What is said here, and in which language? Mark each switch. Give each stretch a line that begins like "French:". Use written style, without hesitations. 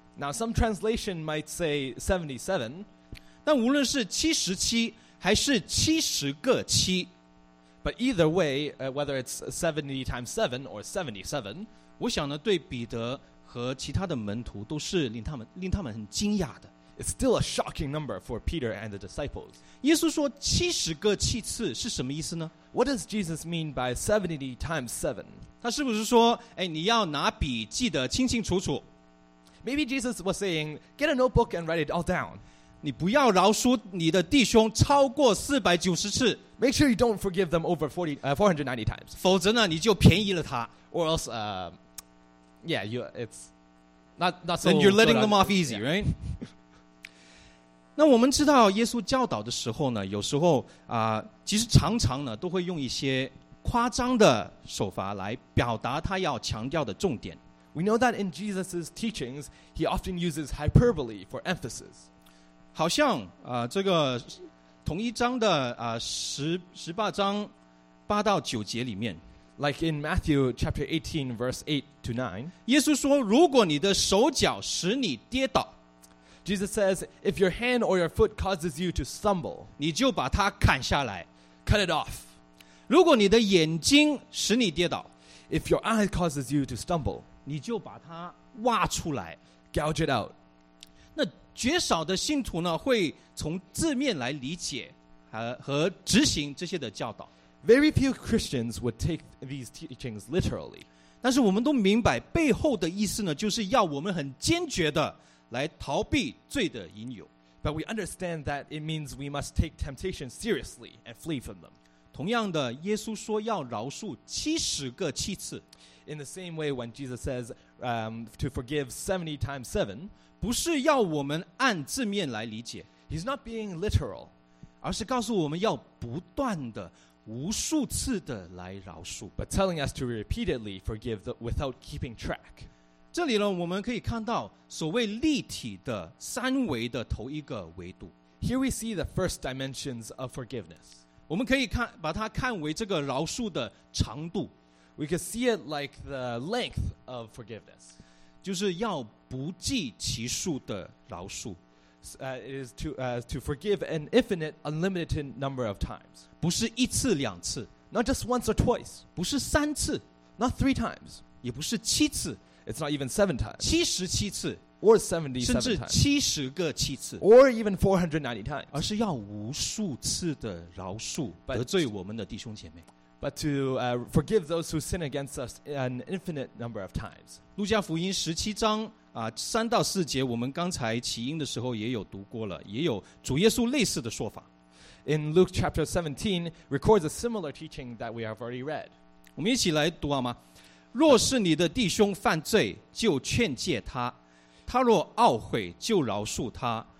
English: Now some translation might say 77.
Chinese: 但无论是77还是70个七,
English: but either way, whether it's 70 times 7 or 77,
Chinese: 我想呢，对彼得和其他的门徒都是令他们很惊讶的。
English: It's still a shocking number for Peter and the disciples.
Chinese: 耶稣说七十个七次是什么意思呢？
English: What does Jesus mean by 70 times 7?
Chinese: 他是不是说，哎，你要拿笔记得清清楚楚？
English: Maybe Jesus was saying, get a notebook and write it all down.
Chinese: 你不要饶恕你的弟兄超过四百九十次。
English: Make sure you don't forgive them over 490 times.
Chinese: 否则呢，你就便宜了他。
English: Or else, yeah, you, it's not so. Then you're letting them off easy, right?
Chinese: 那我们知道耶稣教导的时候呢，有时候啊，其实常常呢都会用一些夸张的手法来表达他要强调的重点。
English: We know that in Jesus' teachings, he often uses hyperbole for emphasis.
Chinese: 好像啊，这个同一章的啊十八章八到九节里面
English: ，like in Matthew chapter 18 verse 8 to 9,
Chinese: 耶稣说，如果你的手脚使你跌倒。
English: Jesus says, if your hand or your foot causes you to stumble,
Chinese: 你就把它砍下来
English: cut it off.
Chinese: 如果你的眼睛使你跌倒
English: if your eye causes you to stumble,
Chinese: 你就把它挖出来
English: gouge it out.
Chinese: 那绝少的信徒呢会从字面来理解和执行这些的教导
English: Very few Christians would take these teachings literally.
Chinese: 但是我们都明白背后的意思呢就是要我们很坚决的来逃避罪的引诱
English: But we understand that it means we must take temptation seriously and flee from them.
Chinese: 同样的，耶稣说要饶恕七十个七次。
English: In the same way, when Jesus says, to forgive 70 times 7,
Chinese: 不是要我们按字面来理解。
English: He's not being literal.
Chinese: 而是告诉我们要不断的、无数次的来饶恕。
English: But telling us to repeatedly forgive without keeping track.
Chinese: 这里呢我们可以看到所谓立体的三维的头一个维度
English: Here we see the first dimensions of forgiveness
Chinese: 我们可以看把它看为这个饶恕的长度
English: We can see it like the length of forgiveness
Chinese: 就是要不计其数的饶恕
English: It is to forgive an infinite unlimited number of times
Chinese: 不是一次两次
English: Not just once or twice
Chinese: 不是三次
English: Not three times
Chinese: 也不是七次
English: It's not even seven times.
Chinese: 七十七次
English: or 77 times.
Chinese: 甚至七十个七次
English: or even 490 times.
Chinese: 而是要无数次的饶恕得罪我们的弟兄姐妹
English: But to forgive those who sin against us an infinite number of times.
Chinese: 路加福音十七章三到四节，我们刚才起因的时候也有读过了，也有主耶稣类似的说法。
English: In Luke chapter 17, records a similar teaching that we have already read.
Chinese: 我们一起来读好吗？若是你的弟兄犯罪，就劝诫他；他若懊悔，就饶恕他。